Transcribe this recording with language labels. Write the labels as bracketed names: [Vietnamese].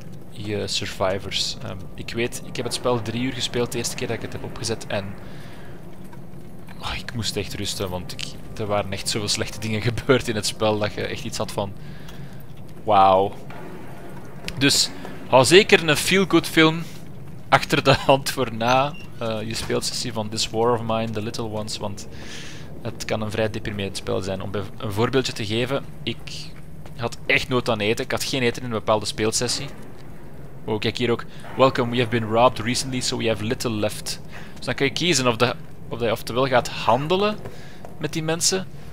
[Dutch] je survivors. Ik weet, ik heb het spel 3 uur gespeeld de eerste keer dat ik het heb opgezet en oh, ik moest echt rusten, want er waren echt zoveel slechte dingen gebeurd in het spel dat je echt iets had van wauw. Dus hou zeker een feel-good film achter de hand voor na je speelsessie van This War of Mine, The Little Ones, want het kan een vrij deprimerend spel zijn. Om een voorbeeldje te geven, ik had echt nood aan eten. Ik had geen eten in een bepaalde speelsessie. Oh, kijk hier ook. [English] Welcome, we have been robbed recently, so we have little left. [Dutch] Dus dan kan je kiezen of je oftewel gaat handelen met die mensen.